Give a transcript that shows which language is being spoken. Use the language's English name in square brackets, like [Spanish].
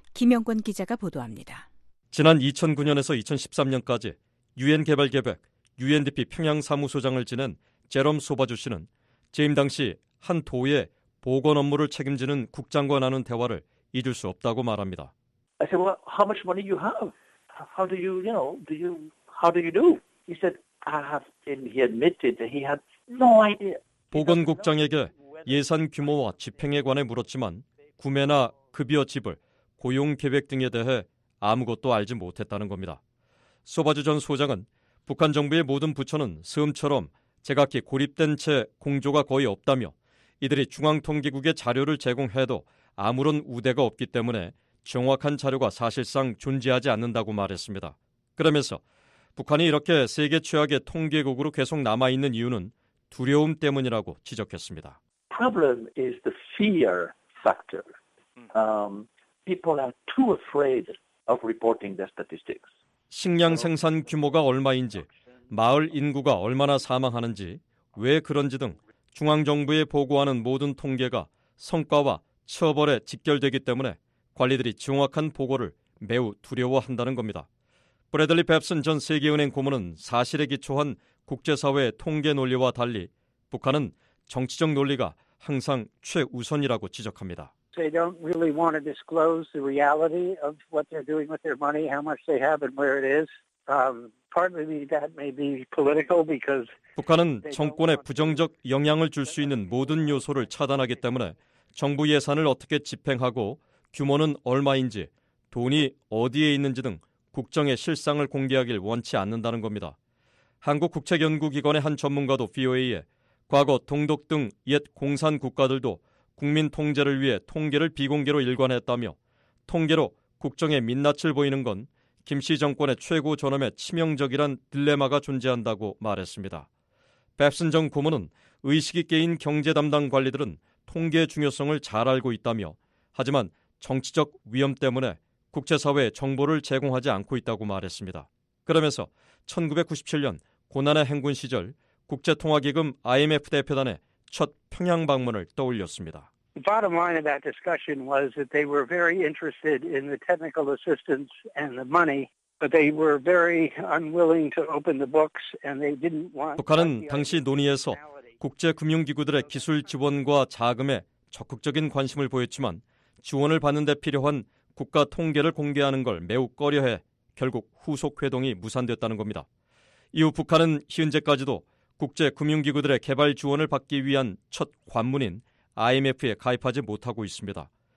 [Korean] 김영권 기자가 보도합니다. 지난 2009년에서 2013년까지 유엔 개발계획 UNDP 평양 사무소장을 지낸 제롬 소바주 씨는 재임 당시 한 도의 보건 업무를 책임지는 국장과 나눈 대화를 잊을 수 없다고 말합니다. [English] I said, well, how much money you have? How do you, you know, do you, how do you do? He said, I have, and he admitted that he had no idea. [Korean] 보건국장에게 예산 규모와 집행에 관해 물었지만 구매나 급여 지불, 고용 계획 등에 대해 아무것도 알지 못했다는 겁니다. 소바주 전 소장은 북한 정부의 모든 부처는 섬처럼 제각기 고립된 채 공조가 거의 없다며 이들이 중앙통계국의 자료를 제공해도 아무런 우대가 없기 때문에 정확한 자료가 사실상 존재하지 않는다고 말했습니다. 그러면서 북한이 이렇게 세계 최악의 통계국으로 계속 남아있는 이유는 두려움 때문이라고 지적했습니다. [English] Problem is the fear factor. People are too afraid of reporting their statistics. [Korean] 식량 생산 규모가 얼마인지, 마을 인구가 얼마나 사망하는지, 왜 그런지 등 중앙정부에 보고하는 모든 통계가 성과와 처벌에 직결되기 때문에 관리들이 정확한 보고를 매우 두려워한다는 겁니다. 브래들리 뱁슨 전 세계은행 고문은 사실에 기초한 국제사회의 통계 논리와 달리 북한은 정치적 논리가 항상 최우선이라고 지적합니다. [English] They don't really want to disclose the reality of what they're doing with their money, how much they have and where it is. Partly that may be political because [Korean] 북한은 정권에 부정적 영향을 줄 수 있는 모든 요소를 차단하기 때문에 정부 예산을 어떻게 집행하고 규모는 얼마인지 돈이 어디에 있는지 등 국정의 실상을 공개하길 원치 않는다는 겁니다. 한국국책연구기관의 한 전문가도 VOA에 과거 동독 등 옛 공산 국가들도 국민 통제를 위해 통계를 비공개로 일관했다며 통계로 국정의 민낯을 보이는 건 김 씨 정권의 최고 전엄의 치명적이란 딜레마가 존재한다고 말했습니다. 뱁슨 전 고문은 의식이 깨인 경제 담당 관리들은 통계의 중요성을 잘 알고 있다며 하지만 정치적 위험 때문에 국제사회에 정보를 제공하지 않고 있다고 말했습니다. 그러면서 1997년 고난의 행군 시절 국제통화기금 IMF 대표단의 첫 평양 방문을 떠올렸습니다. [English] The bottom line of that discussion was that they were very interested in the technical assistance and the money, but they were very unwilling to open the books and they didn't want [Korean] 북한은 당시 논의에서 국제금융기구들의 기술 지원과 자금에 적극적인 관심을 보였지만 지원을 받는 데 필요한 국가 통계를 공개하는 걸 매우 꺼려해 결국 후속 회동이 무산됐다는 겁니다. 이후 북한은 현재까지도 국제금융기구들의 개발 지원을 받기 위한 첫 관문인 IMF에 가입하지 못하고 있습니다.